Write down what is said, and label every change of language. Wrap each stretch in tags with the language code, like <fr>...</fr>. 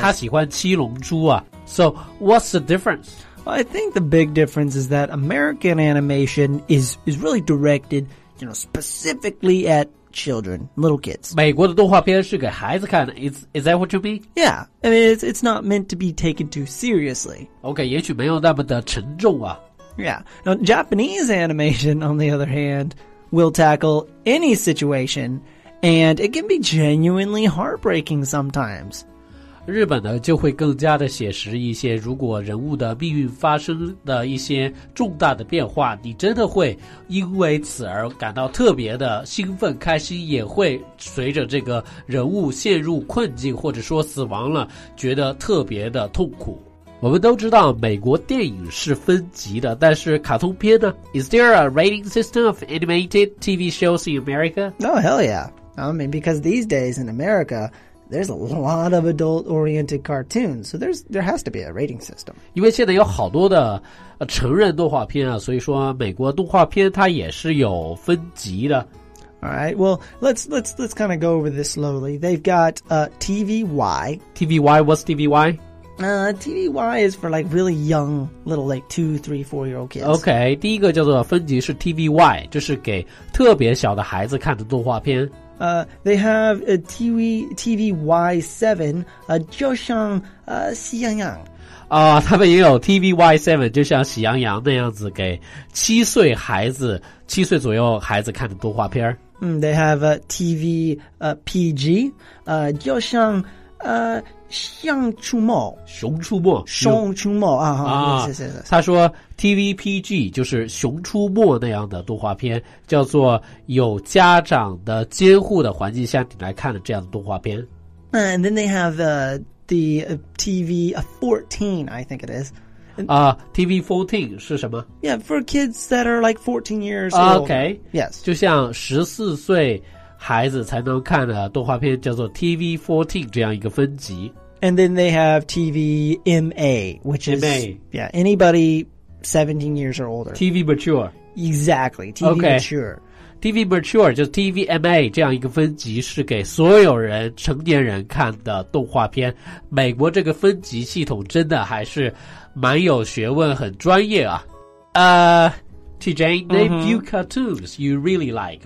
<zh>他喜欢七龙珠啊</zh> <en>So what's the difference? Well, I think the big difference is that American animation is really directed you know, specifically atchildren, little kids.</en> <zh>美国的动画片是给孩子看的</zh> <en>is that what you mean? Yeah, I mean, it's not meant to be taken too seriously.</en> <zh>Okay, 也许没有那么的沉重啊。</zh> <en>Yeah, now Japanese animation, on the other hand, will tackle any situation, and it can be genuinely heartbreaking sometimes.</en> <zh>日本呢就会更加的写实一些，如果人物的命运发生的一些重大的变化，你真的会因为此而感到特别的兴奋开心，也会随着这个人物陷入困境或者说死亡了觉得特别的痛苦。我们都知道美国电影是分级的，但是卡通片呢</zh> <en>Is there a rating system of animated TV shows in America? No, hell yeah. I mean, because these days in America there's a lot of adult-oriented cartoons, so there has to be a rating system.</en> <zh>因为现在有好多的成人动画片啊，所以说美国动画片它也是有分级的。</zh> <en>All right, well, let's kind of go over this slowly. They've got TVY. TVY, what's TVY? TVY is for like really young, little like 2, 3, 4 year old kids.</en> <zh>Okay, 第一个叫做分级是 TVY, 就是给特别小的孩子看的动画片。</zh> <en>They have a TVY7,</en> <zh>就像喜羊羊。他们也有 TVY7, 就像喜羊羊那样子给七岁左右孩子看的动画片。</zh> <en>They have a TVPG,</en> <zh>就像像出没。熊出没。熊出没啊。他说 TVPG 就是熊出没那样的动画片，叫做有家长的监护的环境下你来看的这样的动画片。</zh> <en>And then they have TV14, I think it is.</en> <zh>TV14 是什么？</zh> <en>Yeah, for kids that are like 14 years old. Okay. Yes.</en> <zh>就像14岁孩子才能看的动画片叫做 TV14 这样一个分级。</zh> <en>And then they have TVMA, which is, MA. Yeah, anybody 17 years or older. TV Mature. Exactly, TV okay. Mature.</en> <zh>TV Mature, 就是 TVMA 这样一个分级是给所有人成年人看的动画片。美国这个分级系统真的还是蛮有学问，很专业啊。</zh> <en>TJ, name few cartoons you really like,</en>